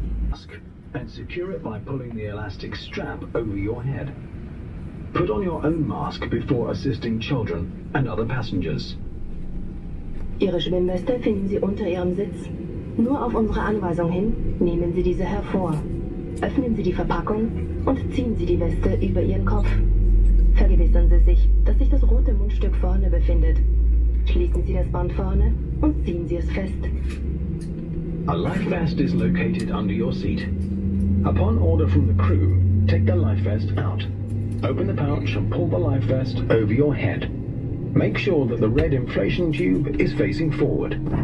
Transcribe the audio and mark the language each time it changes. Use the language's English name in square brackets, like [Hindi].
[English] Mask and secure it by pulling the elastic strap over your head. Put on your own mask before assisting children and other passengers. [German] Ihre Schwimmweste finden Sie unter Ihrem Sitz. Nur auf unsere Anweisung hin nehmen Sie diese hervor. Öffnen Sie die Verpackung und ziehen Sie die Weste über Ihren Kopf. Vergewissern Sie sich, dass Sie die Weste über Ihren Kopf. vergewissern Sie sich, dass sich das rote Mundstück vorne befindet. Schließen Sie das Band vorne und ziehen Sie es fest. [English] A life vest is located under your seat. Upon order from the crew, take the life vest out. Open the pouch and pull the life vest over your head. Make sure that the red inflation tube is facing forward.